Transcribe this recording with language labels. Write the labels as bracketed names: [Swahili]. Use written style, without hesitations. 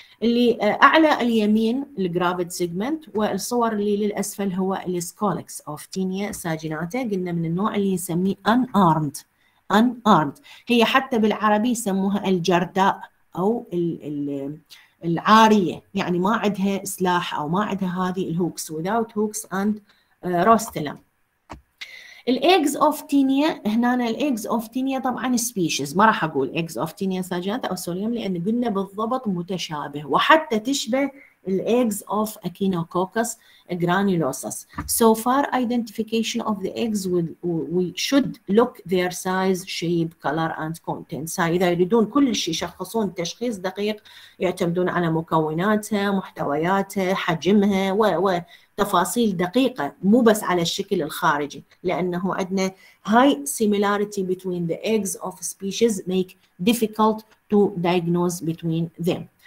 [Arabic] اللي أعلى اليمين الجرافيد سيجمنت، والصور اللي للأسفل هو الاسكولكس أوف تينيا ساجيناتا، قلنا من النوع اللي يسميه unarmed، هي حتى بالعربي يسموها الجرداء أو العارية، يعني ما عندها سلاح أو ما عندها هذه الهوكس، [English] without hooks and rostellum. [Arabic] الإيجز أوف تينيا هنا، الإيجز أوف تينيا طبعا سبيشيز، ما راح أقول إيجز أوف تينيا ساجيناتا أو سوليوم، لأن قلنا بالضبط متشابه وحتى تشبه الإيجز أوف أكينوكوكس جرانيلوسس. [English] So far identification of the eggs we should look their size, shape, color and contents. [Arabic] إذا يريدون كل شيء يشخصون تشخيص دقيق يعتمدون على مكوناتها، محتوياتها، حجمها وتفاصيل دقيقة، مو بس على الشكل الخارجي، لأنه عندنا [English] high similarity between the eggs of species make difficult to diagnose between them.